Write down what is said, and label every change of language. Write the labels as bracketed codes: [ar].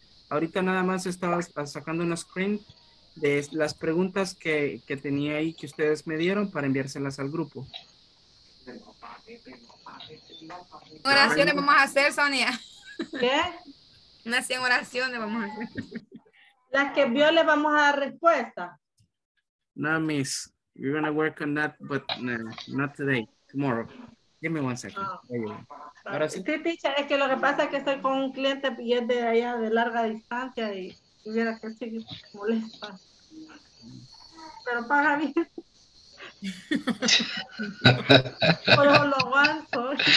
[es] Ahorita nada más estaba sacando una screen de las preguntas que tenía ahí que ustedes me dieron para enviárselas al grupo. Oraciones vamos a hacer, Sonia. ¿Qué? Unas 100 oraciones vamos a hacer. Las que vio le vamos a dar respuesta. No, miss. [en] You're going to work on that, but no, not today. Tomorrow. Give me 1 second. Oh. [es] Ahora sí. Sí, teacher, es que lo que pasa es que estoy con un cliente y es de allá de larga distancia y hubiera que seguir molesta. Pero paga bien. Pero lo aguanto.